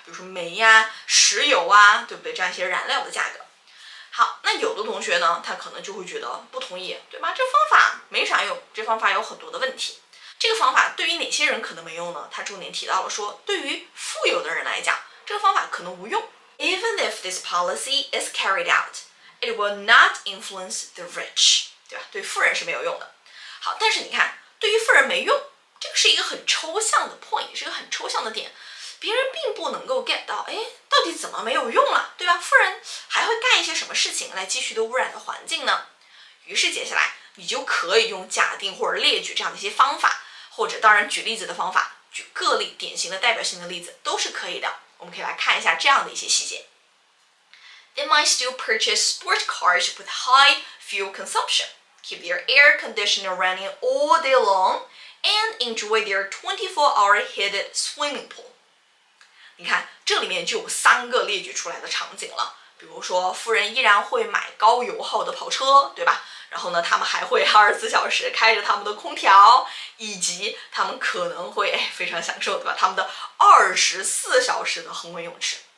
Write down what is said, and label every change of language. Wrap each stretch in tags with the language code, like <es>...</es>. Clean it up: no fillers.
<zh>比如说煤呀、石油啊，对不对？这样一些燃料的价格。好，那有的同学呢，他可能就会觉得不同意，对吗？这方法没啥用，这方法有很多的问题。这个方法对于哪些人可能没用呢？他重点提到了说，对于富有的人来讲，这个方法可能无用。</zh> <en>Even if this policy is carried out, it will not influence the rich，</en> <zh>对吧？对富人是没有用的。好，但是你看，对于富人没用，这个是一个很抽象的 point， 是一个很抽象的点，别人并不能够 get 到，哎，到底怎么没有用了，对吧？富人还会干一些什么事情来继续的污染的环境呢？于是接下来你就可以用假定或者列举这样的一些方法，或者当然举例子的方法，举个例典型的代表性的例子都是可以的。我们可以来看一下这样的一些细节。</zh> <en>They might still purchase sport cars with high fuel consumption, keep their air conditioner running all day long, and enjoy their 24-hour heated swimming pool。</en> <zh>你看这里面就有三个列举出来的场景了，比如说富人依然会买高油耗的跑车，对吧？然后呢，他们还会24小时开着他们的空调，以及他们可能会非常享受，对吧？他们的24小时的恒温泳池。</zh>